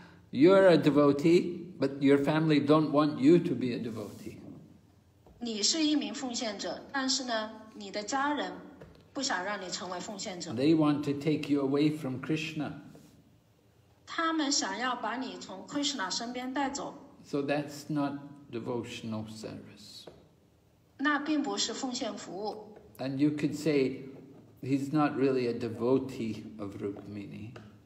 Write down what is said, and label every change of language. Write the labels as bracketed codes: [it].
[en] You're a devotee, but your family don't want you to be a devotee. [zh] 你是一名奉献者，但是呢，你的家人不想让你成为奉献者。 [en] They want to take you away from Krishna. [zh] 他们想要把你从 Krishna 身边带走。 [en] So that's not devotional service. [zh] 那并不是奉献服务。 [en] And you could say he's not really a devotee of Rukmini.